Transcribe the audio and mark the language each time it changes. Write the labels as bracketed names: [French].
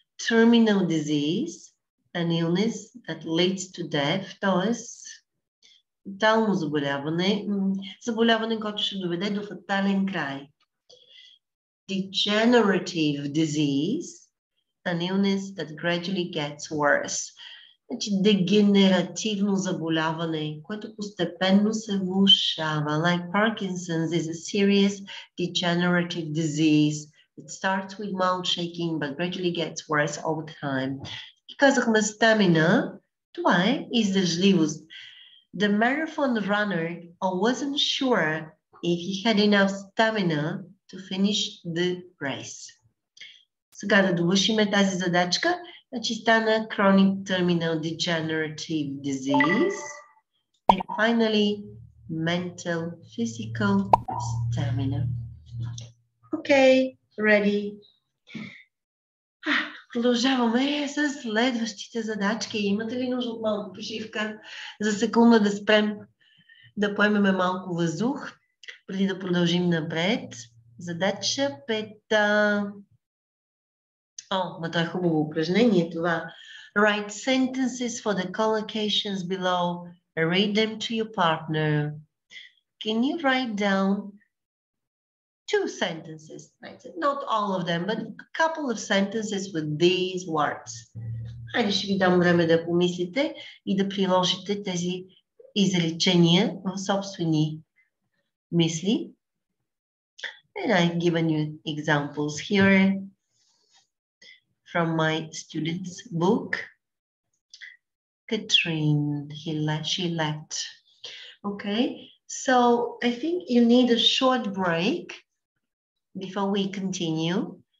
[English] Terminal disease, an illness that leads to death, т.е. [Bulgarian] фатално заболяване, заболяване, което ще доведе до фатален край. [English] Degenerative disease, an illness that gradually gets worse. [Bulgarian] Значи дегенеративно заболяване, което постепенно се влошава. [English] Like Parkinson's is a serious degenerative disease. It starts with mild shaking, but gradually gets worse over time. [Bulgarian] И казахме стамина, това е издържливост. [English] The marathon runner wasn't sure if he had enough stamina to finish the race. [Bulgarian] Сега да довършим тази задачка. Значи стана [English] chronic terminal degenerative disease. And finally, mental physical stamina. Okay, ready. [Bulgarian] Продължаваме с следващите задачки. Имате ли нужда от малко почивка? За секунда да спрем, да поемем малко въздух, преди да продължим напред. Задача 5. О, ма това е хубаво упражнение това. [English] Write sentences for the collocations below. Read them to your partner. Can you write down 2 sentences? Not all of them, but a couple of sentences with these words. [Bulgarian] Хайде ще ви дам време да помислите и да приложите тези изречения в собствени мисли. [English] And I've given you examples here from my student's book. Katrine, she left. Okay, so I think you need a short break before we continue.